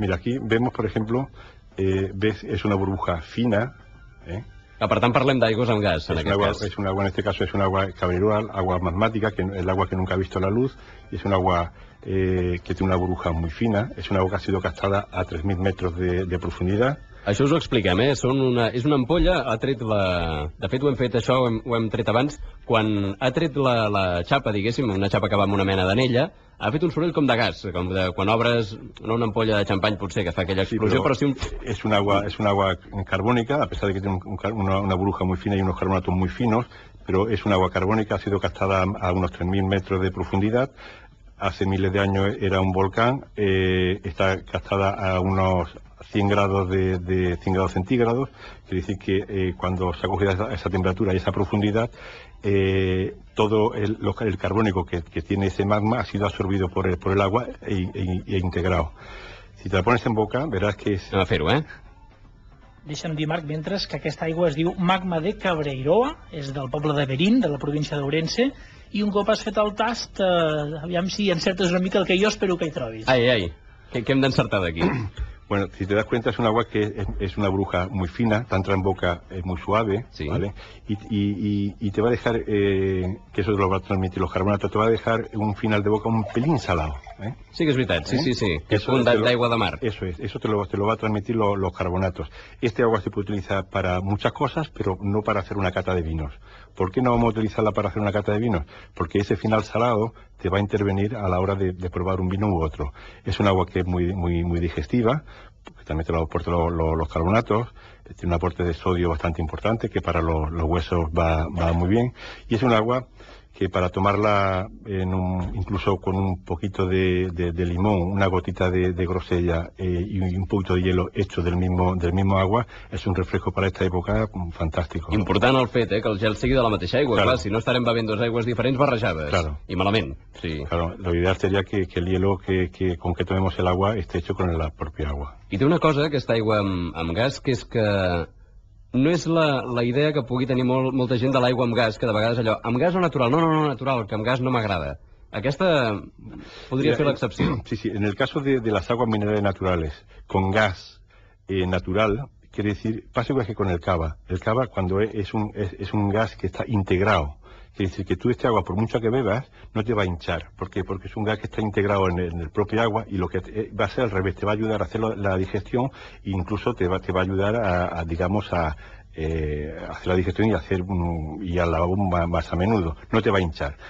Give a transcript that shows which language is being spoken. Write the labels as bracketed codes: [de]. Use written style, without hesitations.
[es] Mira, aquí vemos, por ejemplo, ves, es una burbuja fina, [ca] Ah, per tant, parlem d'aigües amb gas, en aquest cas. [es] És un agua, en este caso, es un agua cavernosa, agua magmática, que es el agua que nunca ha visto la luz, y es un agua que tiene una burbuja muy fina, es un agua que ha sido captada a 3.000 metros de profundidad. [ca] Això us ho expliquem, és una ampolla, ha tret la... De fet, ho hem fet això, ho hem tret abans, quan ha tret la xapa, diguéssim, una xapa que va amb una mena d'anella, ha fet un soroll com de gas, com de quan obres, no una ampolla de xampany potser, que fa aquella explosió, sí, però sí un... [es] És un agua carbònica, a pesar de que té una burbuja muy fina y unos carbonatos muy finos, pero es un agua carbónica, ha sido captada a unos 3.000 metros de profundidad. Hace miles de años era un volcán, está captada a unos 100 grados de 100 grados centígrados, quiere decir que cuando se ha cogido esa temperatura y esa profundidad, todo el carbónico que tiene ese magma ha sido absorbido por el agua e integrado. Si te la pones en boca, verás que es... [ca] No va a fer-ho, Deixa'm dir, Marc, mentre que aquesta aigua es diu Magma de Cabreiroa, és del poble de Berín, de la província d'Ourense, i un cop has fet el tast, aviam si encertes una mica el que jo espero que hi trobis. Ai, què hem d'encertar d'aquí? [es] Bueno, si te das cuenta, es un agua que es una burbuja muy fina, te entra en boca, es muy suave, sí. ¿Vale? Y te va a dejar, que eso te lo va a transmitir los carbonatos, te va a dejar un final de boca un pelín salado. Sí, que es verdad, sí. Es un agua de mar. Eso es, eso te lo va a transmitir los carbonatos. Este agua se puede utilizar para muchas cosas, pero no para hacer una cata de vinos. ¿Por qué no vamos a utilizarla para hacer una cata de vinos? Porque ese final salado te va a intervenir a la hora de probar un vino u otro. Es un agua que es muy, muy, muy digestiva, que también te lo aporta los carbonatos, tiene un aporte de sodio bastante importante, que para los huesos va muy bien, y es un agua que para tomarla incluso con un poquito de limón, una gotita de grosella y un poquito de hielo hecho del mismo agua, es un refresco para esta época fantástico. [ca] Important el fet, que el gel sigui de la mateixa aigua, [es] claro. [ca] Clar, si no estarem bevent dues aigües diferents barrejades. [es] Claro. [ca] I malament. Sí. [es] Claro, lo ideal sería que el hielo que con que tomemos el agua esté hecho con la propia agua. [ca] I té una cosa, aquesta aigua amb gas, que és que... No és la idea que pugui tenir molta gent de l'aigua amb gas, que de vegades allò, amb gas o natural? No, natural, que amb gas no m'agrada. Aquesta podria ser l'excepció. [es] Sí, en el caso de las aguas minerales naturales con gas natural, quiere decir, pasa igual que con el cava. El cava cuando es un gas que está integrado. Quiere decir que tú este agua, por mucho que bebas, no te va a hinchar. ¿Por qué? Porque es un gas que está integrado en el propio agua y lo que va a ser al revés, te va a ayudar a hacer la digestión e incluso te va a ayudar a hacer la digestión y a lavar más a menudo. No te va a hinchar.